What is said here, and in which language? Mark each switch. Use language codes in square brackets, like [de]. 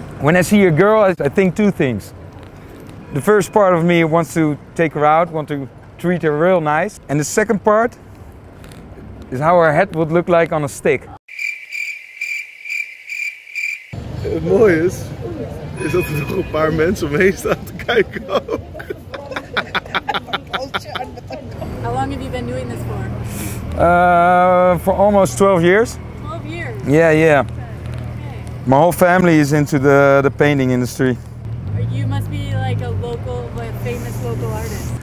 [en] When I see a girl, I think two things. The first part of me wants to take her out, want to treat her real nice. And the second part is how her head would look like on a stick. [nl] Het mooie is dat er nog een paar mensen omheen staan te kijken ook. [en] How long have you been doing this for? For almost 12 years. 12 years? Yeah, yeah. Okay. My whole family is into the painting industry. You must be like a local, like famous local artist.